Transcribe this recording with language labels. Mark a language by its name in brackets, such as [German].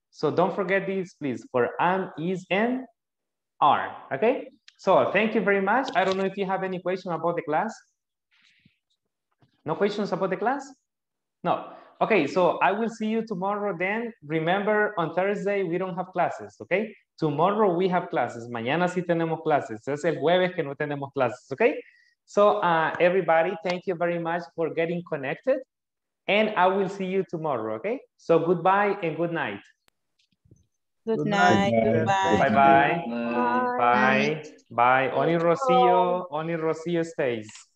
[English] So don't forget this, please, for am, is, and are, okay? So thank you very much. I don't know if you have any question about the class. No questions about the class? No. Okay, so I will see you tomorrow then. Remember, on Thursday, we don't have classes, okay? Tomorrow, we have classes. [Spanish] Mañana sí tenemos clases. Es el jueves que no tenemos clases, okay? [English] So, everybody, thank you very much for getting connected. And I will see you tomorrow, okay? So, goodbye and good night. Good night. Goodbye. Bye-bye. Bye. Bye. Only Rocío. Only Rocío stays.